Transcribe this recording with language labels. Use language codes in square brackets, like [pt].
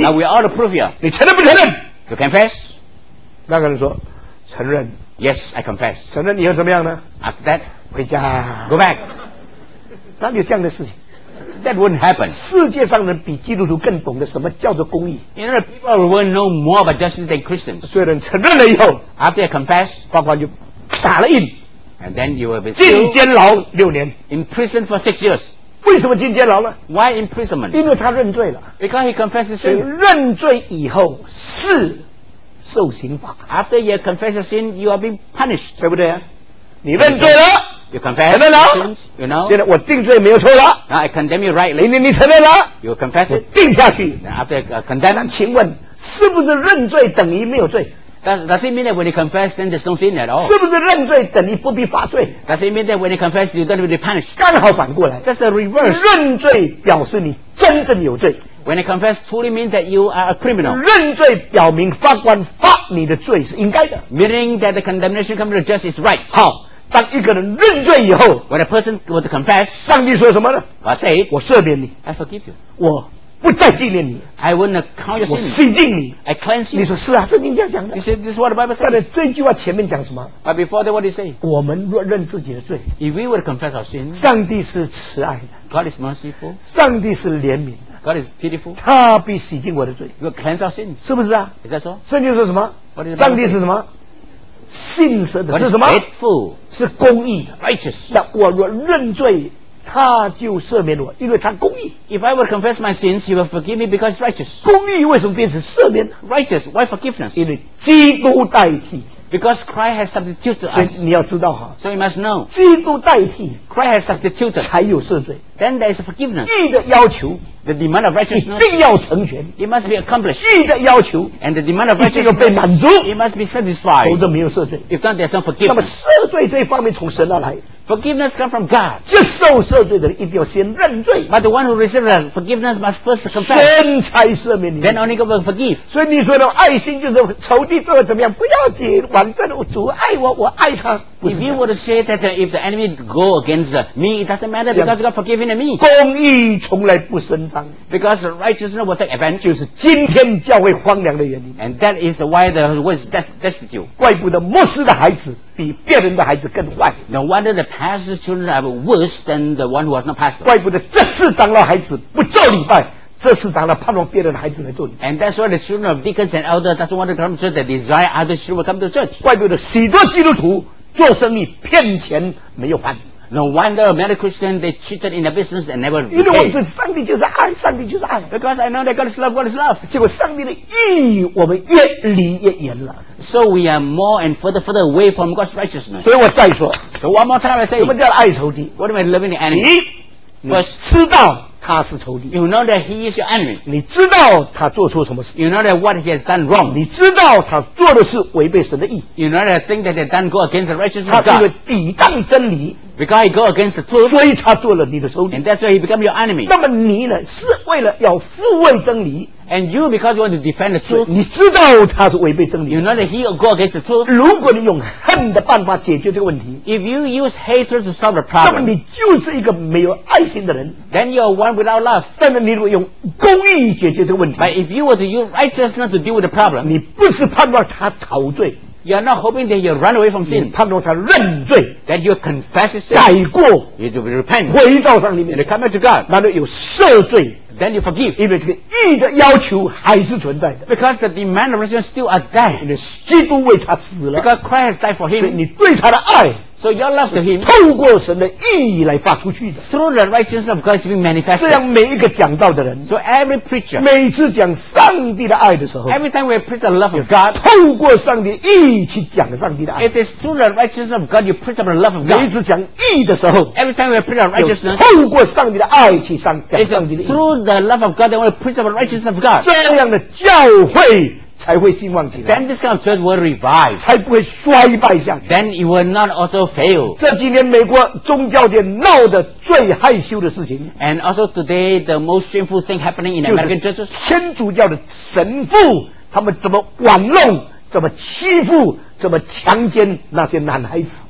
[en] Now we all prove here. [zh] 你承认不承认 [en] ？You confess. [zh] 那个人说，承认。 [en] Yes, I confess. [zh] 承认你又怎么样呢 [en] ？After that. [zh] 回家 [en] Go back [zh] 哪里有这样的事情 [en] That wouldn't happen [zh] 世界上人比基督徒更懂得什么叫做公义 [en] You know people won't know more about justice than Christians [zh] 虽然承认了以后 [en] After they confess [zh] 法官就打了印 [en] And then you will be [zh] 进监牢六年 [en] In prison for 6 years [zh] 为什么进监牢了 [en] Why imprisonment [zh] 因为他认罪了 [en] Because he confessed sin [zh] 认罪以后是受刑罚 [en] After you confess your sin you are being punished [zh] 对不对你认罪了 [en] You confess. [zh] 承认了 [en] you know? [zh] 现在我定罪没有错了 [en] Now I condemn you rightly [zh] 你承认了 [en] You confess it [zh] 定下去 [en] After I condemn [zh] 那请问是不是认罪等于没有罪 [en] Does it mean that when you confess then there's no sin at all [zh] 是不是认罪等于不必罚罪 [en] Does it mean that when you confess you don't need to be punished [zh] 刚好反过来 [en] That's the reverse [zh] 认罪表示你真正有罪 [en] When you confess truly means that you are a criminal [zh] 认罪表明法官罚你的罪是应该的 [en] Meaning that the condemnation coming to justice is right [zh] 好当一个人认罪以后 [en] When a person would confess [zh] 上帝说什么呢 [en] I say [zh] 我赦免你 [en] I forgive you [zh] 我不再纪念你 [en] I won't count your sin [zh] 我洗净你 [en] I cleanse you [zh] 你说是啊圣经这样讲的 [en] You say this is what the Bible says [zh] 但是这句话前面讲什么 [en] But before that what do you say [zh] 我们若认自己的罪 [en] If we would confess our sin [zh] 上帝是慈爱的 [en] God is merciful [zh] 上帝是怜悯的 [en] God is pitiful [zh] 他必洗净我的罪 [en] You will cleanse our sin [zh] 是不是啊 [en] Is that so [zh] 圣经说什么上帝是什么信实的是什么 [en] faithful, [zh] 是公义 [en] righteous [zh] 那我若认罪他就赦免我因为他公义 [en] If I would confess my sins he will forgive me because it's righteous [zh] 公义为什么变成赦免 [en] righteous why forgiveness [zh] 因为基督代替 [en] because Christ has substituted us [zh] 所以你要知道哈 [en] so you must know [zh] 基督代替 [en] Christ has substituted [zh] 才有赦罪 [en] then there is forgiveness [zh] 义的要求 [en] the demand of righteousness [zh] 一定要成全 [en] it must be accomplished [zh] 义的要求 [en] and the demand of righteousness [zh] 一定要被满足 [en] it must be satisfied [zh] 否则没有赦罪 [en] if not there is no forgiveness [zh] 那么赦罪这一方面从神而来 [en] Forgiveness comes from God. [zh] 接受赦罪的人一定要先认罪。 [en] But the one who receives that forgiveness must first confess. [zh] 先才赦免你。 [en] Then only God will forgive. [zh] 所以你说的爱心就是仇敌对我怎么样不要紧，反正主爱我，我爱他。 [en] If you were to say that if the enemy go against me, it doesn't matter because God forgiven me. [zh] 公义从来不伸张。 [en] Because righteousness will take advantage. [zh] 就是今天教会荒凉的原因。 [en] And that is why the world is destitute. [zh] 怪不得牧师的孩子比别人的孩子更坏。 [en] No wonder the pastor's children are worse than the one who was not pastor. [zh] 怪不得这四长老孩子不做礼拜。这是长老盼望别人的孩子来做你 [en] And that's why the children of deacons and elders doesn't want to come to church. They desire other children to come to church. [zh] 怪不得许多基督徒做生意骗钱没有还。 [en] No wonder many Christians, they cheated in their business and never became. [zh] 因为我知道上帝就是爱，上帝就是爱。 [en] Because I know that God is love, God is love. [zh] 结果上帝的意义我们越离越远了。 [en] So we are more and further away from God's righteousness. [zh] 所以我再说。 [en] So one more time I say. [zh] 什么叫爱仇敌？ [en] What do you mean loving the enemy? [zh] 你 [en] first, [zh] 知道他是仇敌。 [en] You know that he is your enemy. [zh] 你知道他做错什么事。 [en] You know that what he has done wrong. [zh] 你知道他做的是违背神的意。 [en] You know that thing that they've done go against the righteousness of God. [zh] 他因为抵挡真理。 [en] Because he go against the truth, [zh] 所以他做了你的仇敌。 [en] And that's why he become your enemy. [zh] 那么你呢？是为了要复问真理。 [en] And you because you want to defend the truth. [zh] 你知道他是违背真理。 [en] You know that he go against the truth. [zh] 如果你用恨的办法解决这个问题。 [en] If you use hatred to solve the problem. [zh] 那么你就是一个没有爱心的人。 [en] Then you are one without love. [zh] 但是你如果用公义解决这个问题。 [en] But if you were to use righteousness to deal with the problem. [zh] 你不是盼望他陶醉。 [en] You're not hoping that you run away from sin. [zh] 你盼望他认罪 [en] ，that you confess sin, [zh] 改过 [en] ，you to repent, [zh] 回到上帝面 [en] ，and come back to God. [zh] 那么有赦罪 [en] ，then you forgive. [zh] 因为这个义的要求还是存在的 [en] ，because the demand of righteousness still are there. [zh] 因为基督为他死了 [en] ，because Christ died for him. [zh] 所以你对他的爱 [en] ，so your love to him, [zh] 透过神的义来发出去的 [en] ，through the righteousness of God being manifested. [zh] 这样每一个讲道的人 [en] ，so every preacher, [zh] 每次讲上帝的爱的时候 [en] ，every time we preach the love of God, [zh] 透过上帝义去讲上帝的爱 [en] ，it is through the righteousness of God you preach the love of God. [zh] 每次讲义的时候 [en] ，every time we preach the righteousness, [zh] 透过上帝的爱去上讲上帝的义 [en] ，through the love of God, then we preach the righteousness of God. [zh] 这样的教会。才会兴旺起来 [en] Then this kind of church will revive [zh] 才不会衰败下去 [en] Then it will not also fail [zh] 这几年美国宗教界闹得最害羞的事情 [en] And also today the most shameful thing happening in American churches [zh] 就是天主教的神父他们怎么玩弄怎么欺负怎么强奸那些男孩子